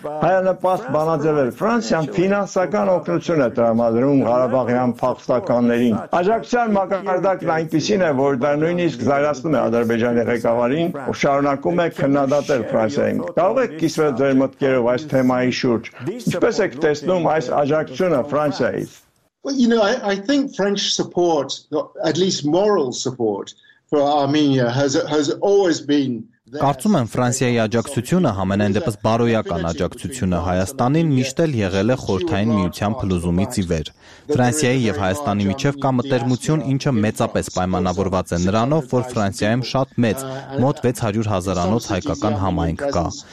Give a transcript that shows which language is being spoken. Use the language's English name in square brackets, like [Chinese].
[Armenian] հայանպաստ բանաձևեր։ Ֆրանսիան ֆինանսական օգնություն է տրամադրում Ղարաբաղյան փախստականներին։ Աջակցության մակարդակն այնպիսին է, որ դա նույնիսկ զարգացնում է Ադրբեջանի ղեկավարին ու շարունակում է քննադատել Ֆրանսիային։ Կարող եք կիսվել ձեր մտքերով այս թեմայի շուրջ։ Ինչպես եք տեսնում այս աջակցությունը Ֆրանսիայից։ [English] Well, you know, I think French support, at least moral support for Armenia has always been. [Armenian] Կարծում եմ Ֆրանսիայի աջակցությունը համենայն դեպս բարոյական աջակցությունը Հայաստանին միշտ էլ եղել է խորթային միության փլուզումից ի վեր։ Ֆրանսիայի եւ Հայաստանի միջև կա մտերմություն, ինչը մեծապես պայմանավորված է նրանով, որ Ֆրանսիայում շատ մեծ, մոտ 600 հազարանոց հայկական համայնք կա։